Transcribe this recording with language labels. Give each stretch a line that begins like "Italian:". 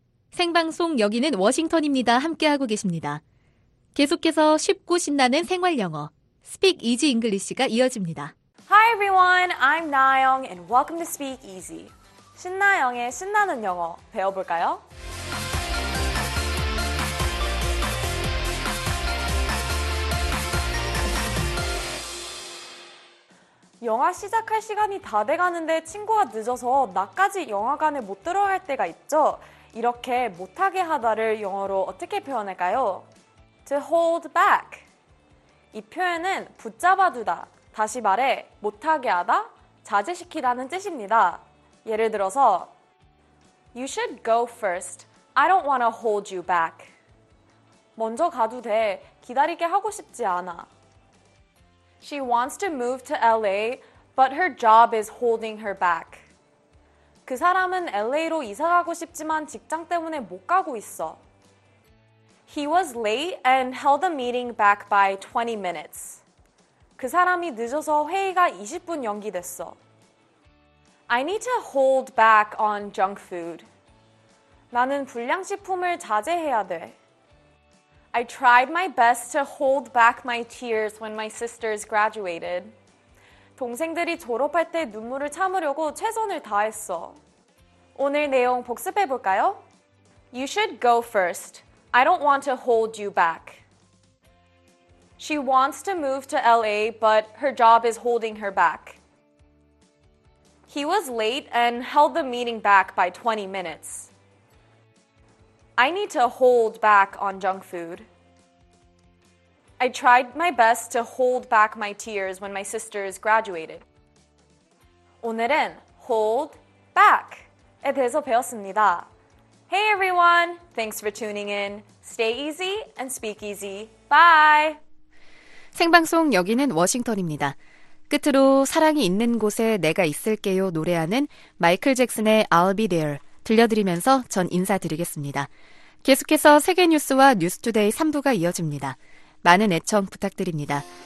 Korean: 생방송 여기는 워싱턴입니다. 함께하고 계십니다. 계속해서 쉽고 신나는 생활 영어
English: Speak Easy English
Korean: 가 이어집니다.
English: Hi everyone, I'm Nayoung and welcome to Speak Easy.
Korean: 신나영의 신나는 영어 배워볼까요? 영화 시작할 시간이 다 돼가는데 친구가 늦어서 나까지 영화관에 못 들어갈 때가 있죠? 이렇게 못하게 하다를 영어로 어떻게 표현할까요?
English: To hold back.
Korean: 이 표현은 붙잡아 두다, 다시 말해 못하게 하다, 자제시키다는 뜻입니다. 예를 들어서
English: You should go first. I don't want to hold you back.
Korean: 먼저 가도 돼. 기다리게 하고 싶지 않아.
English: She wants to move to LA, but her job is holding her back.
Korean: 그 사람은 LA로 이사 가고 싶지만 직장 때문에 못 가고 있어.
English: He was late and held the meeting back by 20 minutes.
Korean: 그 사람이 늦어서 회의가 20분 연기됐어.
English: I need to hold back on junk food.
Korean: 나는 불량식품을 자제해야 돼.
English: I tried my best to hold back my tears when my sisters graduated.
Korean: 동생들이 졸업할 때 눈물을 참으려고 최선을 다했어. 오늘 내용 복습해 볼까요?
English: You should go first. I don't want to hold you back. She wants to move to LA, but her job is holding her back. He was late and held the meeting back by 20 minutes. I need to hold back on junk food. I tried my best to hold back my tears when my sisters graduated.
Korean: 오늘은
English: hold back
Korean: 에 대해서 배웠습니다.
English: Hey everyone, thanks for tuning in. Stay easy and speak easy. Bye!
Korean: 생방송 여기는 워싱턴입니다. 끝으로 사랑이 있는 곳에 내가 있을게요 노래하는 마이클 잭슨의 I'll Be There 들려드리면서 전 인사드리겠습니다. 계속해서 세계 뉴스와 뉴스 투데이 3부가 이어집니다. 많은 애청 부탁드립니다.